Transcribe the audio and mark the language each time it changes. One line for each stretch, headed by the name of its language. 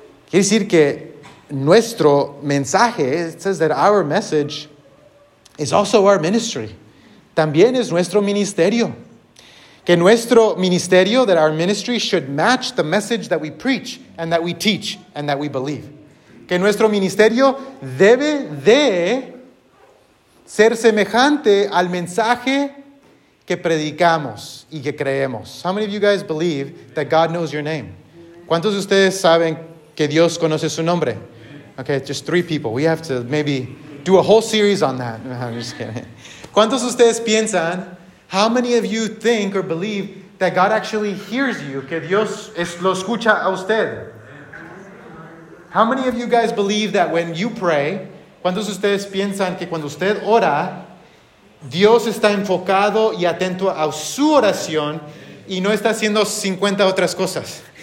Spanish: Quiere decir que nuestro mensaje,
English: it says that our message is also our ministry.
Spanish: También es nuestro ministerio. Que nuestro ministerio,
English: that our ministry should match the message that we preach and that we teach and that we believe.
Spanish: Que nuestro ministerio debe de ser semejante al mensaje que predicamos y que creemos.
English: How many of you guys believe that God knows your name?
Spanish: ¿Cuántos de ustedes saben que Dios conoce su nombre?
English: Okay, just three people. We have to maybe do a whole series on that. No, I'm just kidding.
Spanish: ¿Cuántos de ustedes piensan,
English: how many of you think or believe that God actually hears you,
Spanish: que Dios lo escucha a usted?
English: How many of you guys believe that when you pray,
Spanish: ¿cuántos de ustedes piensan que cuando usted ora, Dios está enfocado y atento a su oración y no está haciendo 50 otras cosas?